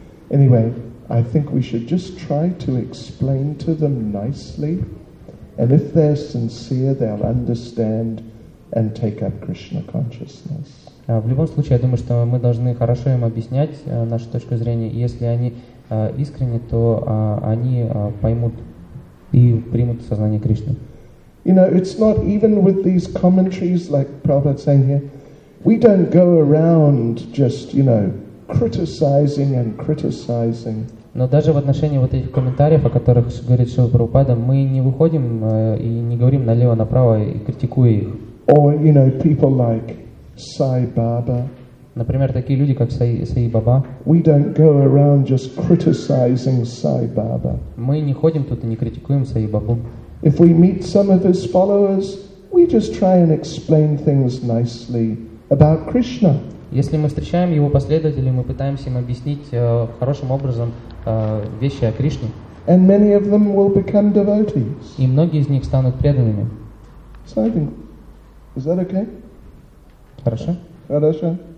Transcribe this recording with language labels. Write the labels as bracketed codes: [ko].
[en] Anyway, I think we should just try to explain to them nicely, and if they're sincere, they'll understand and take up Krishna consciousness. [ru] В любом случае, я думаю, что мы должны хорошо им объяснять нашу точку зрения. Если они искренни, то они поймут и примут сознание Кришны. [en] You know, it's not even with these commentaries like Prabhupada saying here. We don't go around just, you know, criticizing and criticizing. [ru] Но даже в отношении вот этих комментариев, о которых говорит Шрила Прабхупада, мы не выходим и не говорим налево-направо и критикуя их. [en] Or, you know, people like Sai Baba. [ru] Например, такие люди, как Саи Баба. [en] We don't go around just criticizing Sai Baba. [ru] Мы не ходим тут и не критикуем Саи Бабу. [en] If we meet some of his followers, we just try and explain things nicely about Krishna. [ru] Если мы встречаем его последователей, мы пытаемся им объяснить хорошим образом вещи о Кришне. [en] And many of them will become devotees. [ru] И многие из них станут преданными. [en] So I think, is that okay? [ru] Хорошо. Хорошо.